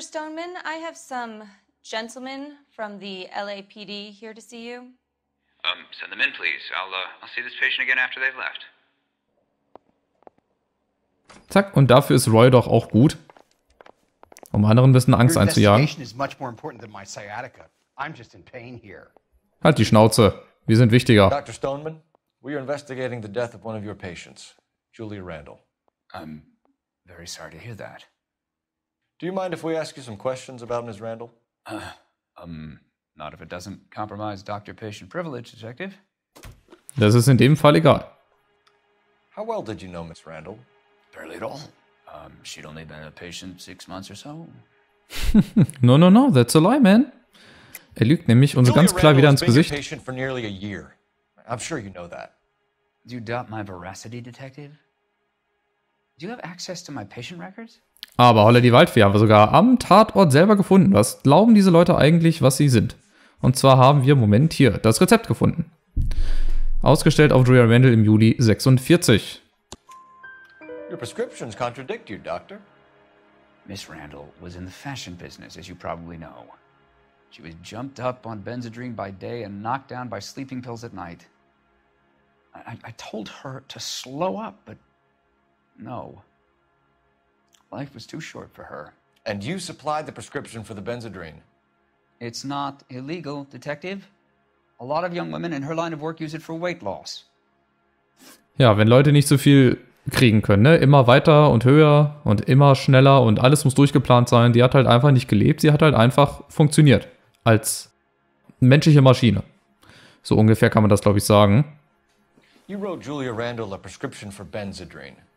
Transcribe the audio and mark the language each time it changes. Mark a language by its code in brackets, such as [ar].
[en] Stoneman, I have some gentlemen from the LAPD here to see you. Send them in, please. I'll see this patient again after they've left. [de] Zack, und dafür ist Roy doch auch gut. Um anderen ein bisschen Angst einzujagen. [en] Your investigation is much more important than my sciatica. I'm just in pain here. [de] Halt die Schnauze. Wir sind wichtiger. [en] Dr. Stoneman? We are investigating the death of one of your patients, Julia Randall. I'm very sorry to hear that. Do you mind if we ask you some questions about Ms. Randall? Not if it doesn't compromise doctor-patient privilege, Detective. [de] Das ist in dem Fall egal. [en] How well did you know Ms. Randall? Barely at all. She'd only been a patient 6 months or so. No, that's a lie, man. [de] Lügt nämlich uns ganz klar wieder ins Gesicht. [en] Julia Randall has been a patient for nearly a year. I'm sure you know that. Do you doubt my veracity, Detective? Do you have access to my patient records? [de] Aber holla die Waldfee, haben wir sogar am Tatort selber gefunden. Was glauben diese Leute eigentlich, was sie sind? Und zwar haben wir, Moment, hier das Rezept gefunden. Ausgestellt auf Julia Randall im Juli 46. [en] Your prescriptions contradict you, Doctor. Miss Randall was in the fashion business, as you probably know. She was jumped up on Benzedrine by day and knocked down by sleeping pills at night. I told her to slow up, but No. Life was too short for her. And you supplied the prescription for the Benzedrine. It's not illegal, Detective. A lot of young women in her line of work use it for weight loss. [de] Ja, wenn Leute nicht so viel kriegen können, ne? Immer weiter und höher und immer schneller und alles muss durchgeplant sein. Die hat halt einfach nicht gelebt, sie hat halt einfach funktioniert. Als menschliche Maschine. So ungefähr kann man das, glaube ich, sagen. [en] You wrote Julia Randall a prescription for Benzedrine.